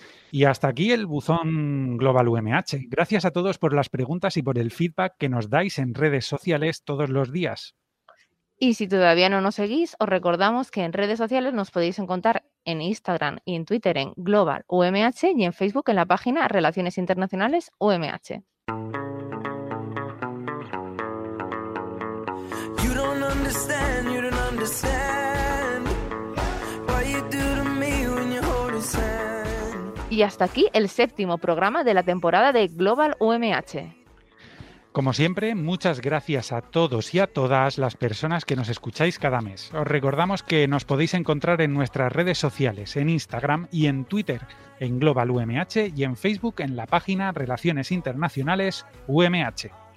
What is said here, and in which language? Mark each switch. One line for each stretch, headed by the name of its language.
Spanish: Y hasta aquí el buzón Global UMH. Gracias a todos por las preguntas y por el feedback que nos dais en redes sociales todos los días. Y si todavía no nos seguís, os recordamos que en redes sociales nos podéis encontrar en Instagram y en Twitter en Global UMH y en Facebook en la página Relaciones Internacionales UMH.
English: You don't understand, you don't understand what you do to me when you hold his hand.
Spanish: Y hasta aquí el séptimo programa de la temporada de Global UMH. Como siempre, muchas gracias a todos y a todas las personas que nos escucháis cada mes. Os recordamos que nos podéis encontrar en nuestras redes sociales, en Instagram y en Twitter, en Global UMH y en Facebook en la página Relaciones Internacionales UMH.